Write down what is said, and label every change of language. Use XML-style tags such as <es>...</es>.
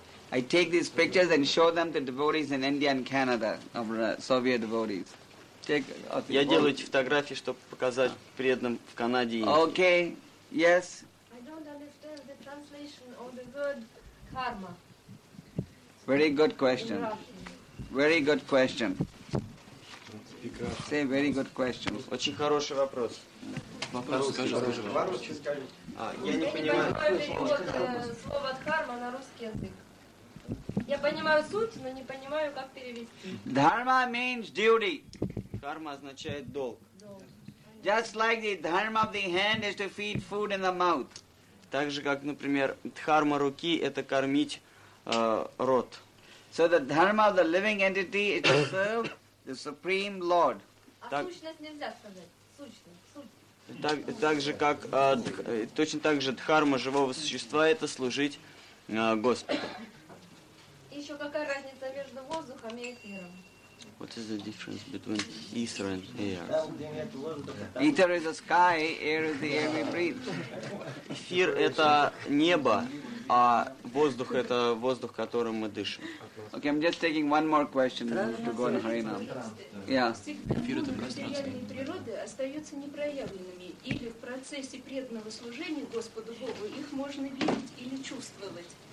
<en>I take these pictures and show them to devotees in India and Canada, of Soviet devotees.</en> <ru>Я делаю эти фотографии, чтобы показать преданным в Канаде.</ru> <en>Okay, yes. I don't understand the translation of the word karma. Very good question. Very good question. Say very good question.</en> <ru>Очень хороший вопрос. Вопрос, скажи, скажи. По-русски скажи. Я не понимаю. Слово дхарма на русский язык. Я понимаю суть, но не понимаю, как перевести.</ru> <en>Dharma means duty.</en> <ru>Карма означает долг.</ru> <en>Just like the dharma of the hand is to feed food in the mouth.</en> <ru>Так же, как, например, дхарма руки – это кормить рот.</ru> <en>So the dharma of the living entity is to serve the Supreme Lord.</en> <ru>Так, сущность нельзя сказать. Сущность. Так, так же, как, точно так же дхарма живого существа – это служить Господу. Еще какая разница между воздухом и эфиром?</ru> <en>What is the difference between ether and air? Ether is the sky, air is the air we breathe.</en> <ru>Эфир – это небо, а воздух – это воздух, которым мы дышим.</ru> <en>Okay, I'm just taking one more question to go on Harinam. Yeah.</en> <ru>Эфир – это пространство. Материальные природы остаются непроявленными, или в процессе преданного служения Господу Богу их можно видеть или чувствовать?</ru>